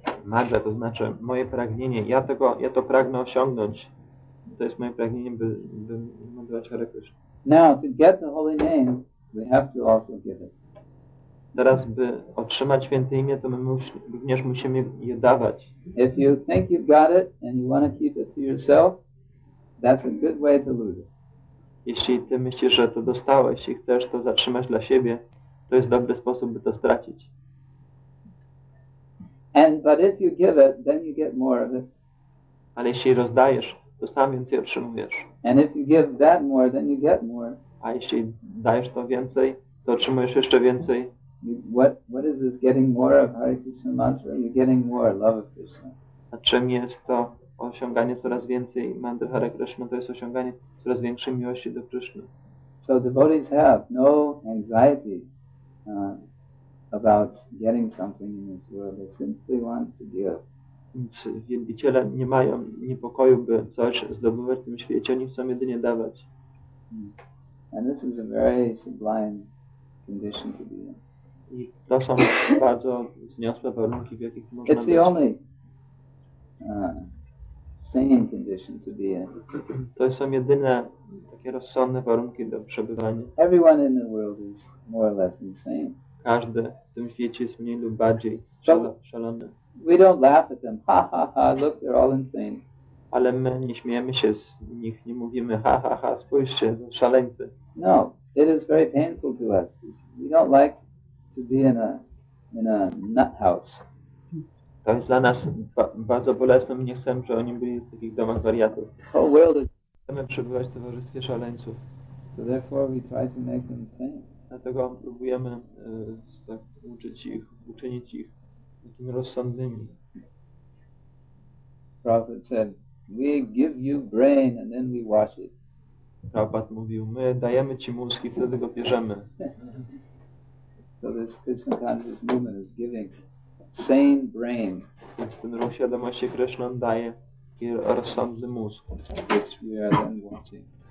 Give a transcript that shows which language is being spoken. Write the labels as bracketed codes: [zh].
[pl] Madhya, to znaczy moje pragnienie. Ja to pragnę osiągnąć. To jest moje pragnienie, by mantrować Hare Krishna. [en] Now, to get the holy name, we have to also give it. [pl] Teraz, by otrzymać święte imię, to my również musimy je dawać. [en] If you think you've got it and you want to keep it to yourself, that's a good way to lose it. [pl] Jeśli ty myślisz, że to dostałeś i chcesz to zatrzymać dla siebie, to jest dobry sposób, by to stracić. [en] But if you give it, then you get more of it. [pl] Ale jeśli rozdajesz, to sam więcej otrzymujesz. [en] And if you give that more, then you get more. [pl] A jeśli dajesz to więcej, to otrzymujesz jeszcze więcej. [en] What is this getting more of Hare Krishna mantra? You're getting more love of Krishna. [pl] A czym jest to osiąganie coraz więcej mantry Hare Krishna? To jest osiąganie coraz większej miłości do Krishna. [en] So devotees have no anxiety about getting something in this world. They simply want to give. [pl] Więc wielbiciele nie mają niepokoju, by coś zdobywać w tym świecie, oni chcą jedynie dawać. [en] And this is a very sublime condition to be in. [pl] I to są bardzo wzniosłe warunki, w jakich można [en] It's the [pl] być. [en] Only sane condition to be in. [pl] To są jedyne takie rozsądne warunki do przebywania. [en] Everyone in the world is more or less insane. [pl] Każdy w tym świecie jest mniej lub bardziej szalony. [en] We don't laugh at them. Ha ha ha, look, they're all insane. [pl] Ale my nie śmiejemy się z nich, nie mówimy ha ha ha, spójrzcie, szaleńcy. [en] No, it is very painful to us. We don't like to be in a nut house. [pl] To jest dla nas bardzo bolesne. My nie chcemy, żeby oni byli w takich domach wariatów. [en] The whole world is... [pl] Chcemy przebywać w towarzystwie szaleńców. [en] So therefore we try to make them sane. [pl] Dlatego próbujemy tak uczynić ich takimi rozsądnymi. [en] Prophet said, we give you brain and then we wash it. [pl] Prabhupad mówił, my dajemy ci mózg i wtedy go bierzemy. [en] So this Krishna conscious movement is giving sane brain. [pl] Więc ten ruch świadomości Krishna daje rozsądny mózg. [en] Which we are then washing.